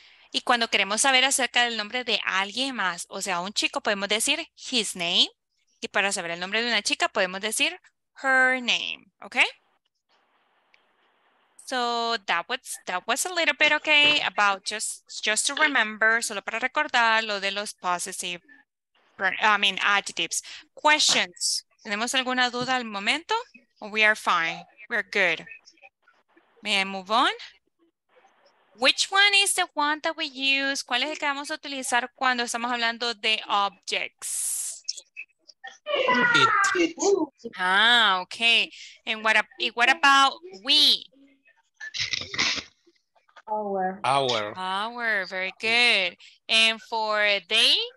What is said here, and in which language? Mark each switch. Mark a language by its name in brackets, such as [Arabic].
[Spanish] Y cuando queremos saber acerca del nombre de alguien más, o sea, un chico, podemos decir his name. Y para saber el nombre de una chica, podemos decir her name, okay? [English] So that was a little bit, okay, about just to remember, [Spanish] solo para recordar lo de los adjectives. [English] Questions. [Spanish] ¿Tenemos alguna duda al momento? [English] We are fine. We're good. May I move on? Which one is the one that we use? [Spanish] ¿Cuál es el que vamos a utilizar cuando estamos hablando de objects? [English] It. Ah, okay. And what about we? Our. Our, very good. And for they?